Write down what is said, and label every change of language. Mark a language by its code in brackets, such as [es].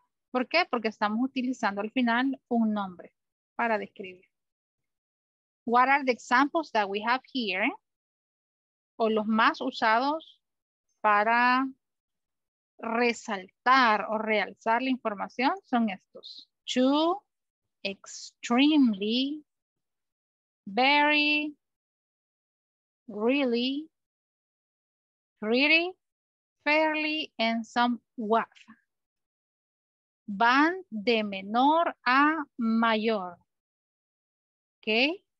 [es] ¿Por qué? Porque estamos utilizando al final un nombre para describir. [en] What are the examples that we have here? [es] O los más usados para resaltar o realzar la información son estos. [en] Too, extremely, very, really, pretty, fairly, and somewhat. [es] Van de menor a mayor. Okay.